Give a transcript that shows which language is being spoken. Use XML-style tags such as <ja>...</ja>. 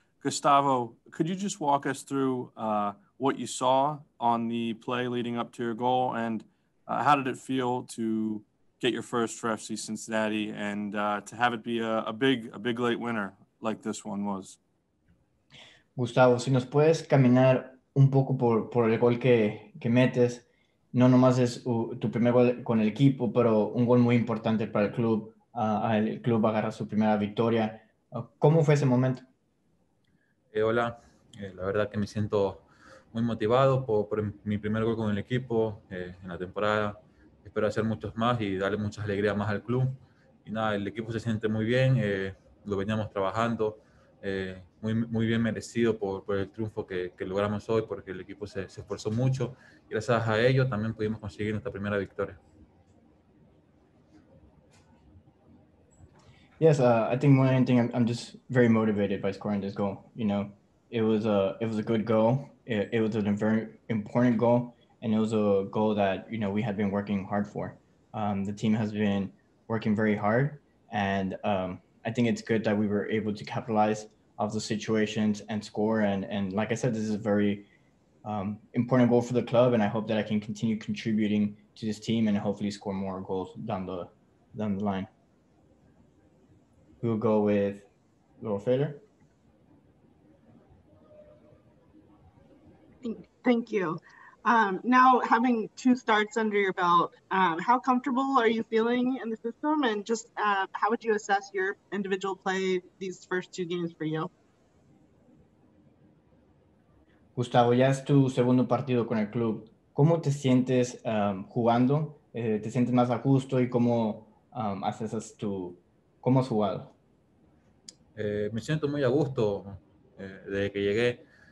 <en>Gustavo, could you just walk us through what you saw on the play leading up to your goal, and how did it feel to get your first for FC Cincinnati and to have it be a big late winner like this one was?</en> <es>Gustavo, si nos puedes caminar un poco por el gol que metes, no nomás es tu primer gol con el equipo, pero un gol muy importante para el club. El club agarra su primera victoria. ¿Cómo fue ese momento? Hola, la verdad que me siento muy motivado por mi primer gol con el equipo en la temporada. Espero hacer muchos más y darle muchas alegrías más al club. Y nada, el equipo se siente muy bien, lo veníamos trabajando, muy, muy bien merecido por el triunfo que logramos hoy, porque el equipo se esforzó mucho. Gracias a ello también pudimos conseguir nuestra primera victoria.</es> <en>Yes, I think more than anything, I'm just very motivated by scoring this goal. You know, it was a good goal. It was a very important goal, and it was a goal that, you know, we had been working hard for. The team has been working very hard, and I think it's good that we were able to capitalize off the situations and score. And like I said, this is a very important goal for the club, and I hope that I can continue contributing to this team and hopefully score more goals down the line. We'll go with Laurel Fader. Thank you. Now, having two starts under your belt, how comfortable are you feeling in the system? And just how would you assess your individual play these first two games for you?</en> <es>Gustavo, ya es tu segundo partido con el club. ¿Cómo te sientes jugando? ¿Te sientes más a gusto? ¿Y cómo accesas tu... ¿Cómo has jugado? Me siento muy a gusto desde que llegué.</es>